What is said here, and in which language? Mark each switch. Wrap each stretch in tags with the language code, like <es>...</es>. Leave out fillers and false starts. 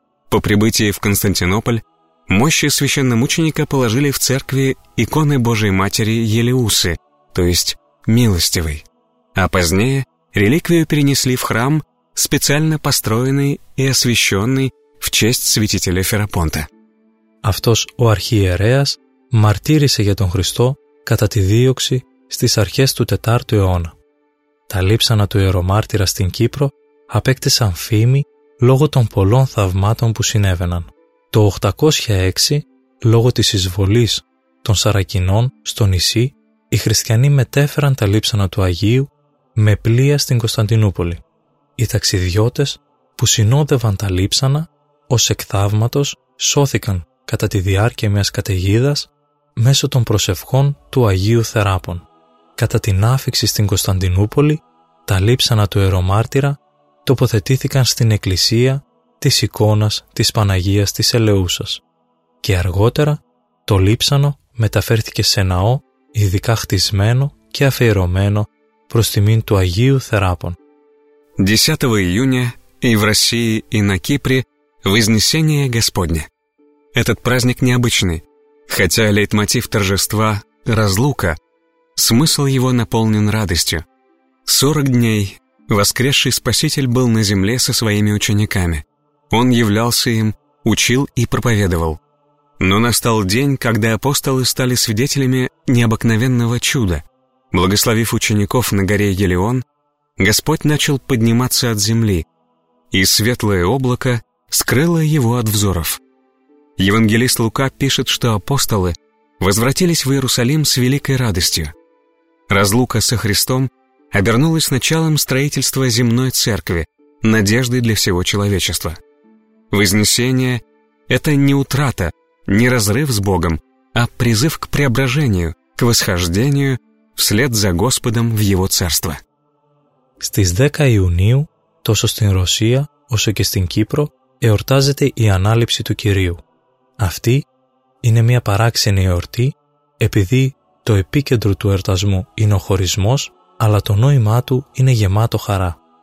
<ru>По прибытии в Константинополь мощи священномученика положили в церкви иконы Божией Матери Елеусы, то есть Милостивой. А позднее реликвию перенесли в храм, специально построенный и освященный в честь святителя Ферапонта.</ru> <el>Αυτός ο αρχιερέας μαρτύρησε για τον Χριστό κατά τη δίωξη στις αρχές του 4ου αιώνα. Τα λείψανα του ιερομάρτυρα στην Κύπρο απέκτησαν φήμη λόγω των πολλών θαυμάτων που συνέβαιναν. Το 806, λόγω της εισβολής των Σαρακινών στο νησί, οι χριστιανοί μετέφεραν τα λείψανα του Αγίου με πλοία στην Κωνσταντινούπολη. Οι ταξιδιώτες που συνόδευαν τα λείψανα ως εκ θαύματος σώθηκαν κατά τη διάρκεια μιας καταιγίδας μέσω των προσευχών του Αγίου Θεράπων. Κατά την άφιξη στην Κωνσταντινούπολη, τα λείψανα του ιερομάρτυρα τοποθετήθηκαν στην εκκλησία της εικόνας της Παναγίας της Ελεούσας και αργότερα το λείψανο μεταφέρθηκε σε ναό ειδικά χτισμένο και αφιερωμένο προς τιμήν του Αγίου Θεράπων.</el> <ru>10 июня и в России, и на Кипре Вознесение Господне. Этот праздник необычный. Хотя лейтмотив торжества – разлука, смысл его наполнен радостью. 40 дней воскресший Спаситель был на земле со своими учениками. Он являлся им, учил и проповедовал. Но настал день, когда апостолы стали свидетелями необыкновенного чуда. Благословив учеников на горе Елеон, Господь начал подниматься от земли, и светлое облако скрыло его от взоров. Евангелист Лука пишет, что апостолы возвратились в Иерусалим с великой радостью. Разлука со Христом обернулась началом строительства земной церкви, надеждой для всего человечества. Вознесение – это не утрата, не разрыв с Богом, а призыв к преображению, к восхождению вслед за Господом в Его Царство.</ru> <el>Στις 10 Ιουνίου, τόσο στην Ρωσία όσο και στην Κύπρο, εορτάζεται η ανάληψη του Κυρίου. Αυτή είναι μια παράξενη εορτή, επειδή το επίκεντρο του εορτασμού είναι ο χωρισμός, αλλά το νόημά του είναι γεμάτο χαρά.</el>